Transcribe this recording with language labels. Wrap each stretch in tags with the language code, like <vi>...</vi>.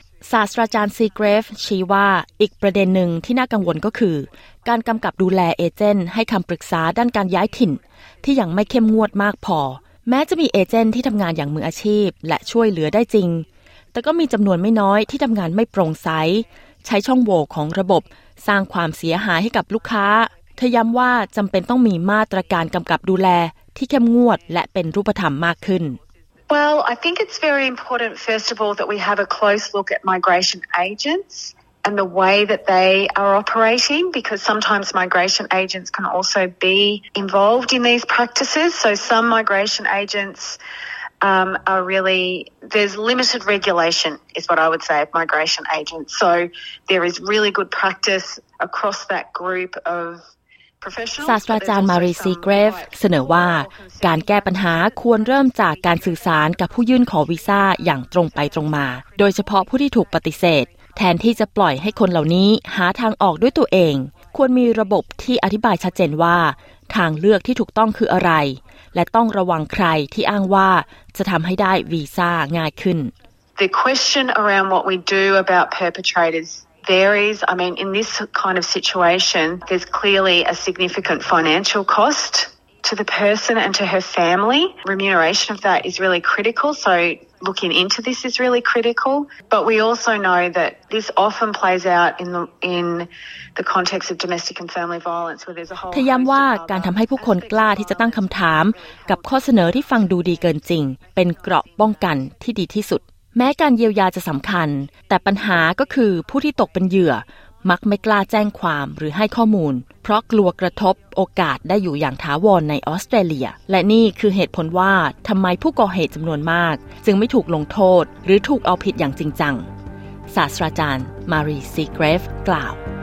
<th>ศาสตราจารย์ซีเกรฟชี้ว่าอีกประเด็นหนึ่งที่น่ากังวลก็คือการกำกับดูแลเอเจนต์ให้คำปรึกษาด้านการย้ายถิ่นที่ยังไม่เข้มงวดมากพอแม้จะมีเอเจนต์ที่ทำงานอย่างมืออาชีพและช่วยเหลือได้จริงแต่ก็มีจำนวนไม่น้อยที่ทำงานไม่โปร่งใสใช้ช่องโหว่ของระบบสร้างความเสียหายให้กับลูกค้าเธอย้ำว่าจำเป็นต้องมีมาตรการกำกับดูแลที่เข้มงวดและเป็นรูปธรรมมากขึ้น</th> <en>Well, I think it's very important first of all that we have a close look at migration agents and the way that they are operating because sometimes migration agents can also be involved in these practices. So some migration agents are really there's limited regulation is what I would say of migration agents. So there is really good practice across that group of</en> <th>ศาสตราจารย์มารีซีเกรฟเสนอว่าการแก้ปัญหาควรเริ่มจากการสื่อสารกับผู้ยื่นขอวีซ่าอย่างตรงไปตรงมาโดยเฉพาะผู้ที่ถูกปฏิเสธแทนที่จะปล่อยให้คนเหล่านี้หาทางออกด้วยตัวเองควรมีระบบที่อธิบายชัดเจนว่าทางเลือกที่ถูกต้องคืออะไรและต้องระวังใครที่อ้างว่าจะทำให้ได้วีซ่าง่ายขึ้น</th> <en>The question around what we do about perpetratorsVaries. I mean, in this kind of situation, there's clearly a significant financial cost to the person and to her family. Remuneration of that is really critical. So looking into this is really critical. But we also know that this often plays out in the context of domestic and family violence, where there's a whole.</en> <th>ย้ำว่าการทำให้ผู้คนกล้าที่จะตั้งคำถามกับข้อเสนอที่ฟังดูดีเกินจริงเป็นเกราะป้องกันที่ดีที่สุดแม้การเยียวยาจะสำคัญแต่ปัญหาก็คือผู้ที่ตกเป็นเหยื่อมักไม่กล้าแจ้งความหรือให้ข้อมูลเพราะกลัวกระทบโอกาสได้อยู่อย่างถาวรในออสเตรเลียและนี่คือเหตุผลว่าทำไมผู้ก่อเหตุจำนวนมากจึงไม่ถูกลงโทษหรือถูกเอาผิดอย่างจริงจังศาสตราจารย์มารีซีเกรฟกล่าว</th>